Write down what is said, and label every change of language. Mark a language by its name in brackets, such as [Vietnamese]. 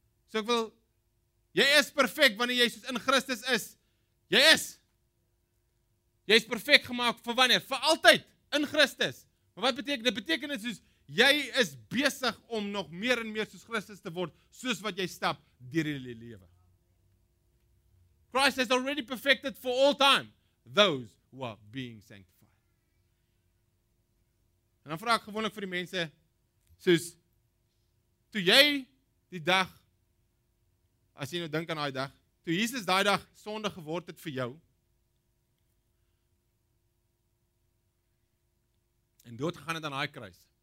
[Afrikaans] So ek wil, jy is perfect wanneer jy soos in Christus is. Jy is perfect gemaakt vir wanneer? Vir altyd, in Christus. Maar wat beteken? Dit beteken dit soos, jy is besig om nog meer en meer soos Christus te word, soos wat jy stap deur die lewe. [English] Christ has already perfected for all time those who are being sanctified. [Afrikaans] En dan vraag ek gewoonlik vir die mense soos toe jy die dag as jy nou dink aan daai dag, toe Jesus daai dag sonde geword het vir jou en dood gegaan het aan daai kruis.